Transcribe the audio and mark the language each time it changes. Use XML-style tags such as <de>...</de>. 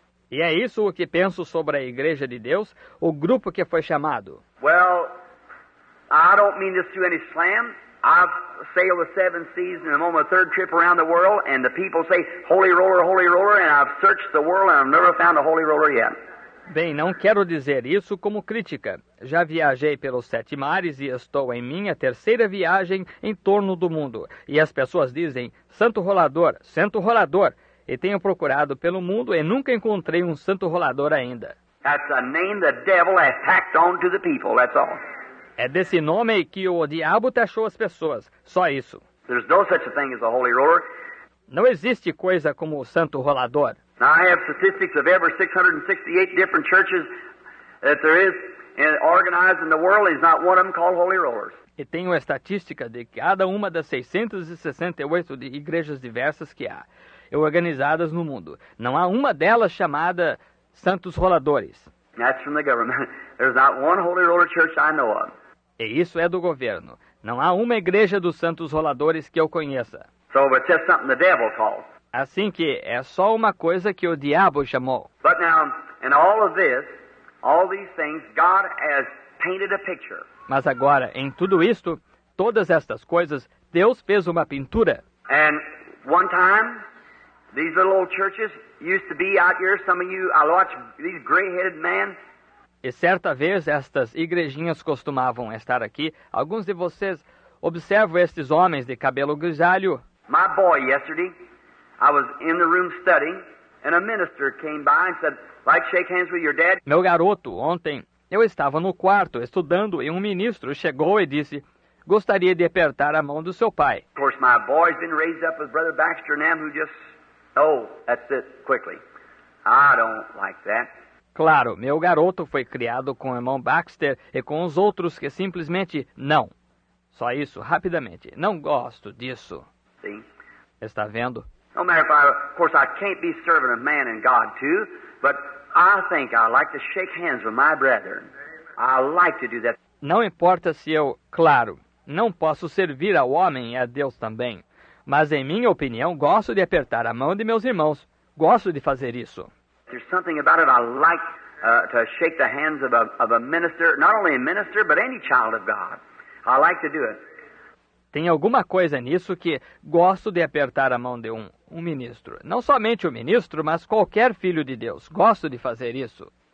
<pt>E é isso o que penso sobre a Igreja de Deus, o grupo que foi chamado.</pt> <en>Well, I don't mean this to any slam. I've sailed the seven seas and I'm on my third trip around the world, and the people say, holy roller, and I've searched the world and I've never found a holy roller yet.</en> <pt>Bem, não quero dizer isso como crítica. Já viajei pelos sete mares e estou em minha terceira viagem em torno do mundo. E as pessoas dizem, santo rolador, e tenho procurado pelo mundo e nunca encontrei um santo rolador ainda.</pt> <en>That's a name the devil has tacked on to the people, that's all.</en> <pt>É desse nome que o diabo taxou as pessoas, só isso.</pt> <en>There's no such a thing as a holy roller.</en> <pt>Não existe coisa como o santo rolador.</pt> <en>Now I have statistics of every 668 different churches that there is organized in the world. There's not one of them called Holy Rollers.</en> <pt>E tenho estatística de cada uma das 668 de igrejas diversas que há, organizadas no mundo. Não há uma delas chamada Santos Roladores.</pt> <en>That's from the government. There's not one Holy Roller church I know of.</en> <pt>E isso é do governo. Não há uma igreja dos Santos Roladores que eu conheça.</pt> <en>So it's just something the devil calls.</en> <pt>Assim que é só uma coisa que o diabo chamou.</pt> <en>But now, in all of this, all these things, God has painted a picture.</en> <pt>Mas agora, em tudo isto, todas estas coisas, Deus fez uma pintura.</pt> <en>And one time, these little old churches used to be out here, some of you, I watch these gray-headed men.</en> <pt>E certa vez, estas igrejinhas costumavam estar aqui. Alguns de vocês observam estes homens de cabelo grisalho.</pt> <en>My boy, yesterday, I was in the room studying, and a minister came by and said, like shake hands with your dad.</en> <pt>Meu garoto, ontem, eu estava no quarto estudando, e ministro chegou e disse, gostaria de apertar a mão do seu pai.</pt> <en>Of course, my boy's been raised up with Brother Baxter and them who just, oh, that's it, quickly. I don't like that.</en> <pt>Claro, meu garoto foi criado com o irmão Baxter e com os outros que simplesmente, não. Só isso, rapidamente, não gosto disso. Sim. Está vendo?</pt> <en>No matter if I, of course, I can't be servant of man and God too, but I think I like to shake hands with my brethren. I like to do that.</en> <pt>Não importa se eu, claro, não posso servir ao homem e a Deus também, mas em minha opinião, gosto de apertar a mão de meus irmãos. Gosto de fazer isso.</pt> <en>There's something about it I like to shake the hands of a minister, not only a minister, but any child of God. I like to do it.</en> <pt>Tem alguma coisa nisso que gosto de apertar a mão de um ministro. Não somente o ministro, mas qualquer filho de Deus. Gosto de fazer isso.</pt>